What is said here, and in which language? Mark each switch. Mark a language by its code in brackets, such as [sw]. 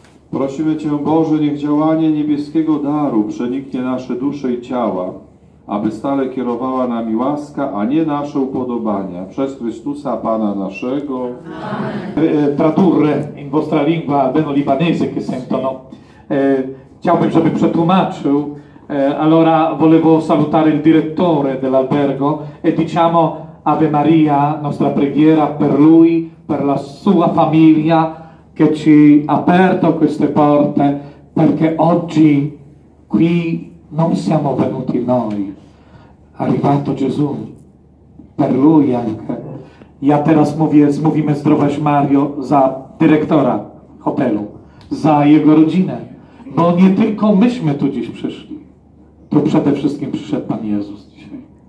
[pl] Prosimy Cię, Boże, niech działanie niebieskiego daru przeniknie nasze dusze i ciała, aby stale kierowała nami łaska, a nie nasze upodobania. Przez Chrystusa, Pana naszego. Amen. [it] Tradurre in vostra lingua, beno libanese, che sentono. [pl] Chciałbym, żeby przetłumaczył. [it] Allora, volevo salutare il direttore dell'albergo e diciamo Ave Maria, nostra preghiera per lui, per la sua famiglia, che ci ha aperto queste porte, perché oggi qui non siamo venuti noi, è arrivato Gesù, per lui anche. [pl] Ja teraz mówimy zdrowaś Mario za dyrektora hotelu, za jego rodzinę, bo nie tylko myśmy tu dziś przyszli, tu przede wszystkim przyszedł Pan Jezus dzisiaj.